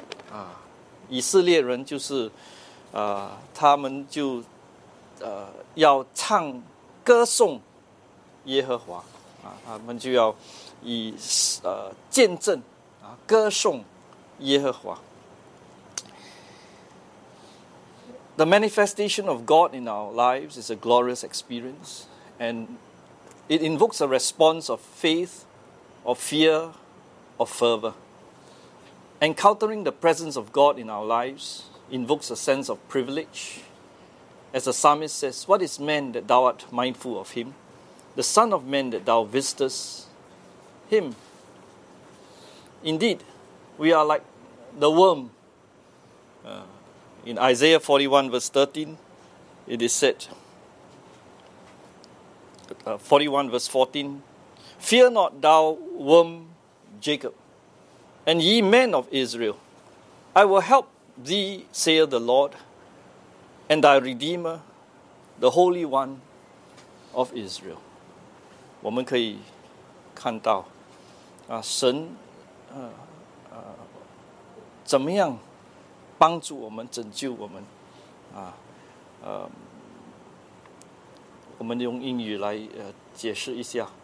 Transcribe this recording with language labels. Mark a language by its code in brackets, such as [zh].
[zh] 啊，以色列人就是他们就要唱歌颂耶和华啊，他们就要以见证啊歌颂耶和华。 [en] The manifestation of God in our lives is a glorious experience, and it invokes a response of faith, of fear, of fervor. Encountering the presence of God in our lives invokes a sense of privilege. As the psalmist says, "What is man that thou art mindful of him? The son of man that thou visitest him." Indeed, we are like the worm. In Isaiah 41 verse 13, it is said, 41 verse 14, "Fear not thou, worm Jacob, and ye men of Israel. I will help thee, saith the Lord, and thy Redeemer, the Holy One of Israel." [zh] 我们可以看到啊，神怎么样帮助我们，拯救我们，啊，我们用英语来解释一下。